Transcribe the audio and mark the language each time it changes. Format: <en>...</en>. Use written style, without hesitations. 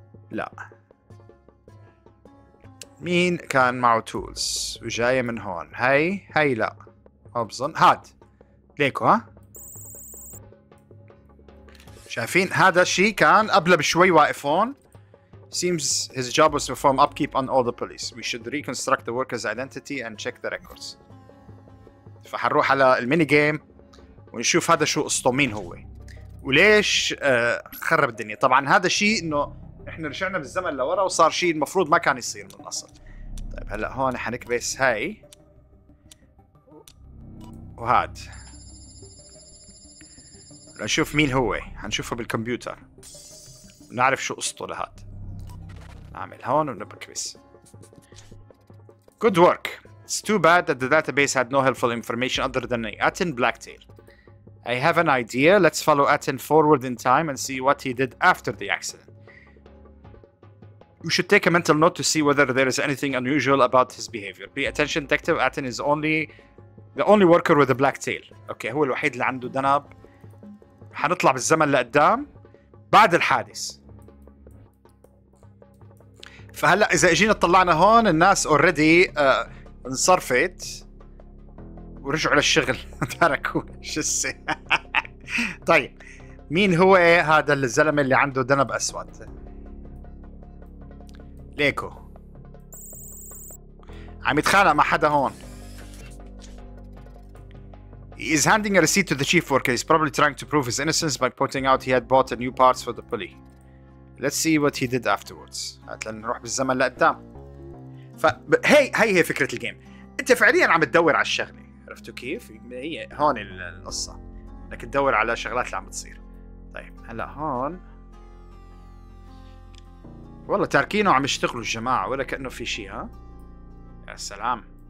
<ar>لا مين كان معه تولز وجاية من هون؟ هاي لا أبظن هاد ليكو. ها شايفين هذا الشيء كان قبله بشوي واقف هون.</ar> <en>Seems his job was to perform upkeep on all the police. We should reconstruct the worker's identity and check the records.</en> <ar>فحنروح على الميني جيم ونشوف هذا شو قصته، مين هو وليش خرب الدنيا. طبعا هذا شيء انه احنا رجعنا بالزمن لورا وصار شيء المفروض ما كان يصير من الاصل. طيب هلا هون حنكبس هاي وهاد لنشوف مين هو. حنشوفه بالكمبيوتر نعرف شو قصته لهاد. نعمل هون ونبكبس.</ar> <en>Good work. It's too bad that the database had no helpful information other than Atten Blacktail. I have an idea. Let's follow Atten forward in time and see what he did after the accident. You should take a mental note to see whether there is anything unusual about his behavior. Pay attention, Detective. Atten is the only worker with a black tail.</en> <ar>Okay, هو الوحيد اللي عنده دنب. حنطلع بالزمن لقدام بعد الحادث. فهلا اذا اجينا طلعنا هون الناس اوريدي انصرفت ورجعوا للشغل تركوا شسه. طيب مين هو هذا الزلمه اللي عنده دنب اسود؟ ليكو عم يتخانق مع حدا هون.</ar> <en>He is handing a receipt to the chief worker. He's probably trying to prove his innocence by pointing out he had bought a new parts for the pulley. Let's see what he did afterwards.</en> <ar>هات لنروح بالزمن لقدام. هي هي فكرة الجيم. انت فعليا عم تدور على الشغلة. عرفتوا كيف؟ هي هون القصة. انك تدور على شغلات اللي عم تصير. طيب هلا هون. والله تاركينه عم يشتغلوا الجماعة ولا كأنه في شيء. ها؟ يا سلام.</ar>